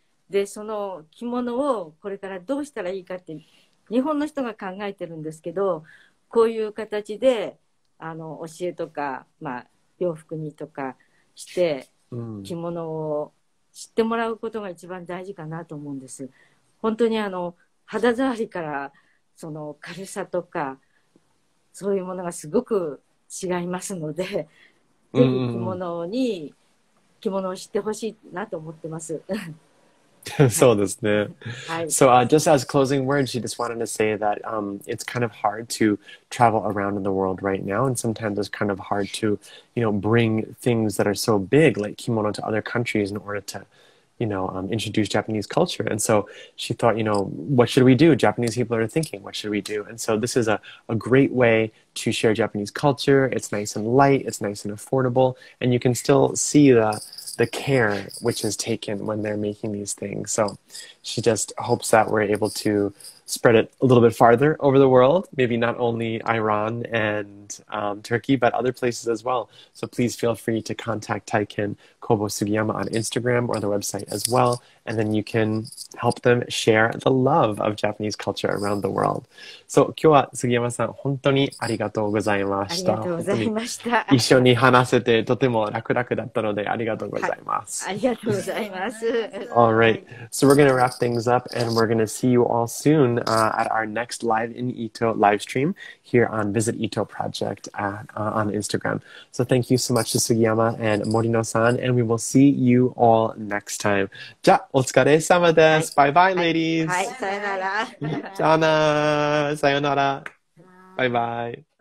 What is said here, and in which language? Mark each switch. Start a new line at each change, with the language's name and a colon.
Japanese: で、その着物をこれからどうしたらいいかって日本の人が考えてるんですけど、こういう形で教えとか、まあ、洋服にとかして着物を知ってもらうことが一番大事かなと思うんです。本当に肌触りからその軽さとかそういうものがすごく違いますので、着物を知ってほしいなと思ってます。そうですね。
English: So, just as closing words, she just wanted to say that it's kind of hard to travel around in the world right now, and sometimes it's kind of hard to, you know, bring things that are so big like kimono to other countries in order to, you know, introduce Japanese culture. And so she thought, you know, what should we do? Japanese people are thinking, what should we do? And so this is a great way to share Japanese culture. It's nice and light, it's nice and affordable, and you can still see the care which is taken when they're making these things. So she just hopes that we're able to spread it a little bit farther over the world, maybe not only Iran and Turkey, but other places as well. So please feel free to contact Taiken Kobo Sugiyama on Instagram or the website as well, and then you can help them share the love of Japanese culture around the world.
Japanese: So 今日は Sugiyama-san 本当にありがとうございました。ありがとうございました。一緒に話せてとても楽々だったのでありがとうございます。ありがとうございます。
English: All right, so we're going to wrap things up and we're going to see you all soonat our next Live in Ito live stream here on Visit Ito Project on Instagram. So thank you so much to Sugiyama and Morino-san, and we will see you all next time.
Japanese: じゃあ、お疲れ様です。バイバイ、ladies! はい、さよなら。じゃあな、さよなら。バイバイ。